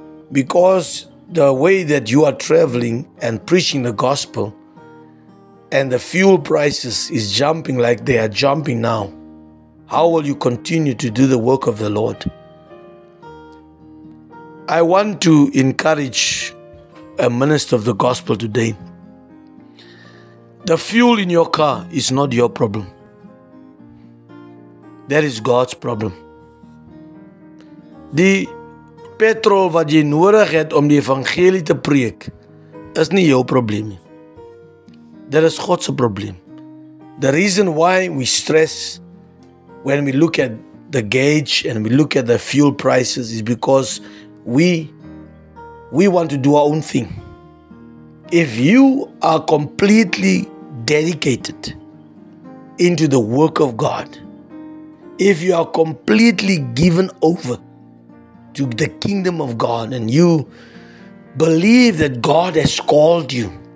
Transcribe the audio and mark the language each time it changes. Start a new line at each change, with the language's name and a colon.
English: Because the way that you are traveling and preaching the gospel and the fuel prices is jumping like they are jumping now, how will you continue to do the work of the Lord? I want to encourage a minister of the gospel today. The fuel in your car is not your problem. That is God's problem.
Afrikaans: Die petrol wat jy nodig het om die evangelie te preek, is nie jou probleem.
English: That is God's problem. The reason why we stress when we look at the gauge and we look at the fuel prices is because we want to do our own thing. If you are completely dedicated into the work of God, if you are completely given over to the kingdom of God and you believe that God has called you